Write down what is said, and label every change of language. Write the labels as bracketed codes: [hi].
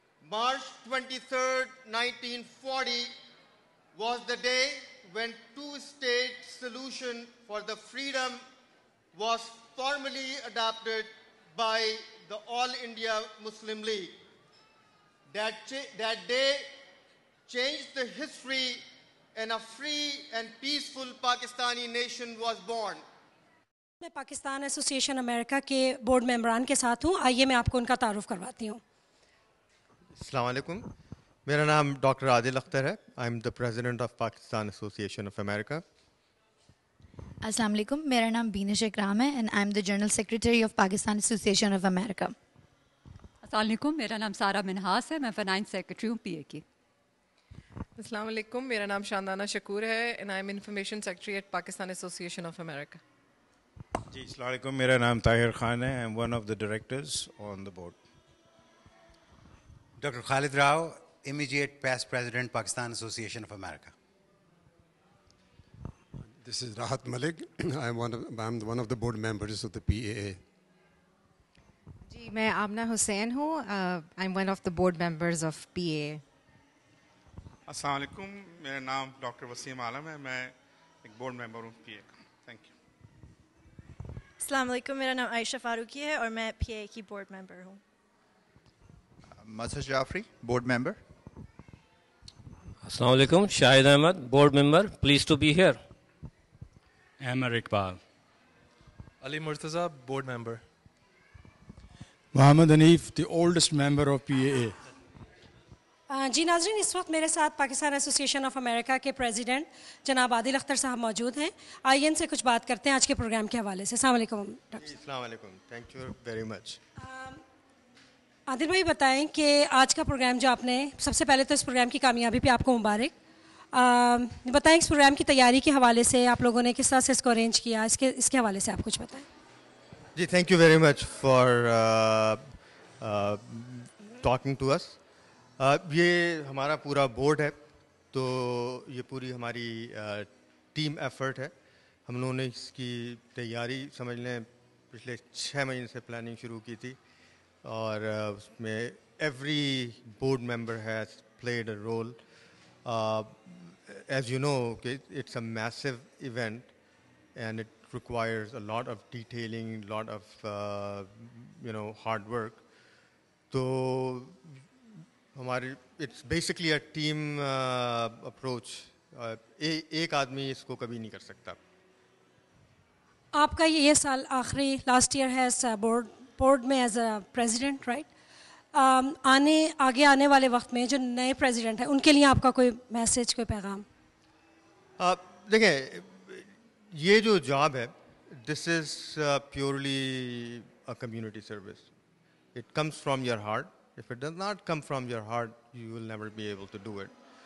[en] March 23rd, 1940 was the day when two-state solution for the freedom was formally adopted by the All India Muslim League. That day changed the history and a free and peaceful Pakistani nation was born. [ur] میں Pakistan association امریکہ کے board ممبران کے ساتھ ہوں, آئیے میں آپ کو ان کا تعارف کرواتی ہوں. السلام علیکم, میرا نام ڈاکٹر عادل اختر ہے, [en] I am the president of Pakistan association of America. [ur] السلام علیکم, میرا نام بینش اکرام ہے [en] And I am the general secretary of Pakistan association of America. [ur] السلام علیکم, میرا نام سارا منہاس ہے, میں فنائنس سیکرٹری ہوں پی اے کی. السلام علیکم, میرا نام شاندانہ شکور ہے [en] And I am information secretary at Pakistan association of America. [ur] جی السلام علیکم, میرا نام طاہر خان ہے, [en] I am one of the directors on the board. Doctor Khalid Rao, immediate past president Pakistan association of America. This is Rahat Malik, I am one of the board members of the P A A. جی میں آمنہ حسین ہوں, I am one of the board members of P A. [ur] السلام علیکم, میرا نام doctor Wasim عالم ہے, میں ایک board member ہوں پی اے کا. [en] Thank you. [ur] السلام علیکم, میرا نام عائشہ فاروقی ہے اور میں پی اے کی بورڈ ممبر ہوں. مسح جعفری, بورڈ ممبر. السلام علیکم, شاہد Ahmad, board member, [en] Please to be here. [ur] Ahmad Iqbal. Ali Murtaza, board member. [en] Mohammad Hanif, the oldest member of P A A. [ur] جی ناظرین اس وقت میرے ساتھ پاکستان ایسوسیشن آف امریکہ کے پریزیڈنٹ جناب عادل اختر صاحب موجود ہیں. آئیے ان سے کچھ بات کرتے ہیں آج کے پروگرام کے حوالے سے. السلام علیکم. [en] السلام علیکم. Thank you very much. [ur] عادل بھائی بتائیں کہ آج کا پروگرام جو آپ نے, سب سے پہلے تو اس پروگرام کی کامیابی پہ آپ کو مبارک. بتائیں اس پروگرام کی تیاری کے حوالے سے آپ لوگوں نے کس طرح سے اس کو ارینج کیا, اس کے حوالے سے آپ کچھ بتائیں. [en] جی thank you very much for talking to us. [ur] یہ ہمارا پورا بورڈ ہے تو یہ پوری ہماری ٹیم ایفرٹ ہے. ہم لوگوں نے اس کی تیاری سمجھ لیں پچھلے 6 مہینے سے پلاننگ شروع کی تھی اور اس میں [en] Every board member has played a role. As you know [ur] کہ [en] It's a massive event and it requires a lot of detailing, lot of you know hard work. [ur] تو ہماری [en] It's basically a team approach. [ur] ایک آدمی اس کو کبھی نہیں کر سکتا. آپ کا یہ سال آخری لاسٹ ایئر ہے اس بورڈ میں [en] As a president, right? [ur] آگے آنے والے وقت میں جو نئے پریزیڈنٹ ہیں ان کے لیے آپ کا کوئی میسج, کوئی پیغام؟ دیکھیں یہ جو جاب ہے [en] This is purely a community service. It comes from your heart. If it does not come from your heart, you will never be able to do it.